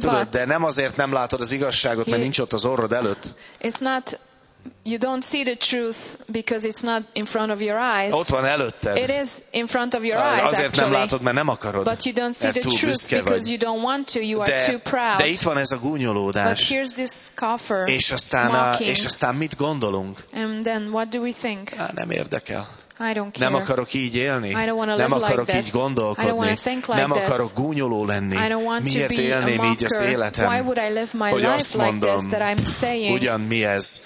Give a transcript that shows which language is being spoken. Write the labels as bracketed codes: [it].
[hu] De nem azért nem látod az igazságot, mert nincs ott az orrod előtt. [en] It's not... You don't see the truth because it's not in front of your eyes. [hu] Ott van előtted. [en] It is in front of your eyes. [hu] Azért nem látod, mert nem akarod. [en] But you don't see the truth because you don't want to. You are too proud. [hu] De itt van ez a gúnyolódás. [en] But here's this coffer. [hu] És aztán mit gondolunk? [en] And then what do we think? [hu] Nem érdekel. Nem akarok így élni. Nem akarok így gondolkodni. Nem akarok gúnyoló lenni. Miért élném így az életem? Hogy azt mondom, ugyan mi ez?